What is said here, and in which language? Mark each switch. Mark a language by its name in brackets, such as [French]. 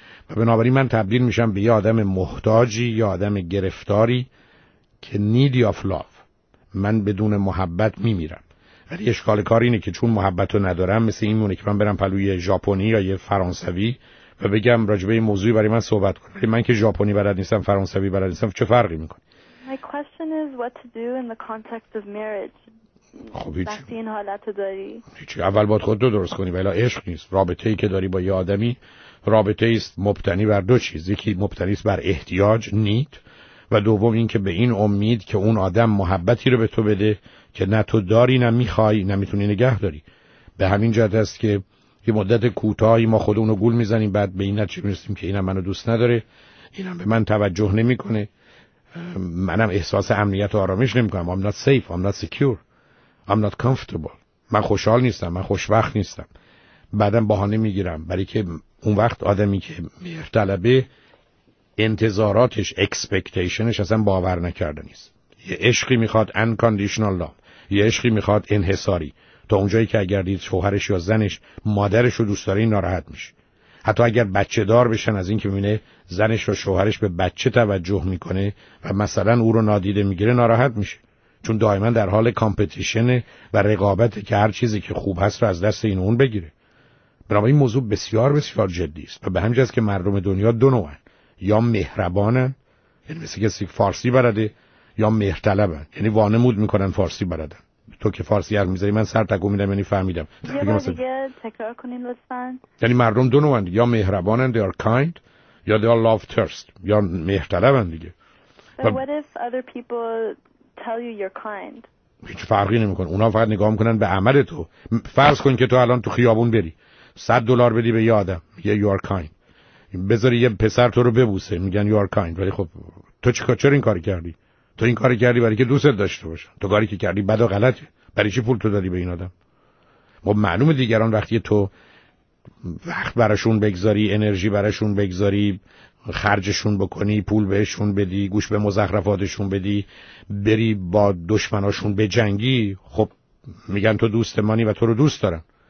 [Persian] و بنابراین من تبدیل میشم به یه آدم محتاجی، یه آدم گرفتاری که [English] needy of love. [Persian] من بدون محبت میمیرم. ولی اشکال کار اینه که چون محبتو ندارم، مثل این مونه که من برم پلوی ژاپنی یا یه فرانسوی و بگم راجبه این موضوعی برای من صحبت کن. من که ژاپنی بلد نیستم، فرانسوی بلد نیستم، چه فرقی میکنه؟ [English] My question is what to do in the context of marriage. [Persian] خب هیچ. وقتی این حالتو داری. هیچ. اول باید خودتو درست کنی. ولی عشق نیست. رابطه‌ای که داری با یه آدمی، رابطه‌ای است مبتنی بر دو چیز. یکی مبتنی است بر احتیاج، نید، و دوم این که به این امید که اون آدم محبتی رو به تو بده که نه تو داری، نه می‌خوای، نه می‌تونی نگه داری. به همین جهت است که یه مدت کوتاهی ما خودمونو گول میزنیم، بعد به این نتیجه میرسیم که اینم منو دوست نداره، اینم به من توجه نمیکنه، منم احساس امنیت و آرامش نمیکنم. [English] I'm not safe, I'm not secure, I'm not comfortable. [Persian] من خوشحال نیستم، من خوشبخت نیستم. بعدم بهانه میگیرم، برای که اون وقت آدمی که مهر طلبه، انتظاراتش، اکسپکتیشنش اصلا باور نکردنیست. یه عشقی میخواد [English] unconditional love، [Persian] یه عشقی میخواد انحصاری. تا اونجایی که اگر دید شوهرش یا زنش مادرش رو دوست داره، این ناراحت میشه. حتی اگر بچه دار بشن، از این که میبینه زنش و شوهرش به بچه توجه میکنه و مثلا او رو نادیده میگیره، ناراحت میشه. چون دائما در حال کامپتیشن و رقابت که هر چیزی که خوب هست رو از دست این اون بگیره. بنابراین این موضوع بسیار بسیار جدی است و به همین جاست که مردم دنیا دو نوعن. یا مهربانن، یعنی مثل کسی فارسی بلده، یا مهرطلبن، یعنی وانمود میکنن فارسی بلدن. تو که فارسی حرف میذاری من سر تکون میدم، یعنی فهمیدم. یه بار دیگه تکرار کنین لطفا. یعنی مردم دو نوعند، یا مهربانند [English] they are kind، [Persian] یا [English] they are love thirst، [Persian] یا مهربانند دیگه. [English] But what if other people tell you you're kind؟ [Persian] هیچ فرقی نمی کن. اونا فقط نگاه میکنن به عمل تو. فرض کن که تو الان تو خیابون بری $100 بدی به یه آدم، یه [English] you are kind، [Persian] بذاری یه پسر تو رو ببوسه، میگن you are kind. ولی خب تو چرا این کاری کردی؟ تو این کاری کردی برای که دوستت داشته باشه. تو کاری که کردی بد و غلطه. برای چی پول تو دادی به این آدم؟ ما معلومه دیگران وقتی تو وقت براشون بگذاری، انرژی براشون بگذاری، خرجشون بکنی، پول بهشون بدی، گوش به مزخرفاتشون بدی، بری با دشمناشون بجنگی، خب میگن تو دوست منی و تو رو دوست دارم.